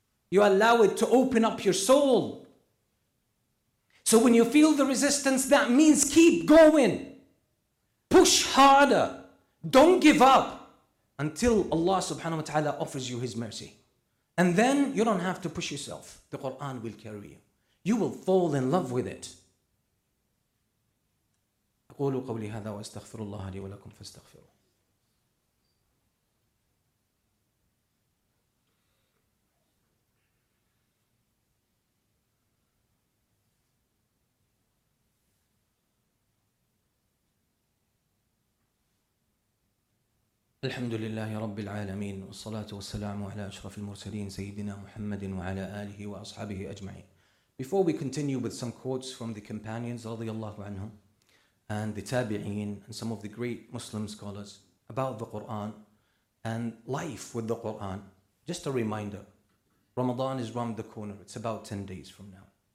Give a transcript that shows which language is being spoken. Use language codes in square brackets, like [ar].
[en] You allow it to open up your soul. So when you feel the resistance, that means keep going. Push harder. Don't give up. Until Allah subhanahu wa ta'ala offers you His mercy. And then you don't have to push yourself. The Quran will carry you. You will fall in love with it. [ar] أقول قولي هذا وأستغفر الله لي ولكم فاستغفروا. الحمد لله رب العالمين والصلاة والسلام على أشرف المرسلين سيدنا محمد وعلى آله وأصحابه أجمعين. [en] Before we continue with some quotes from the companions [ar] رضي الله عنهم [en] and the تابعين and some of the great Muslim scholars about the Quran and life with the Quran, just a reminder, Ramadan is round the corner. It's about 10 days from now.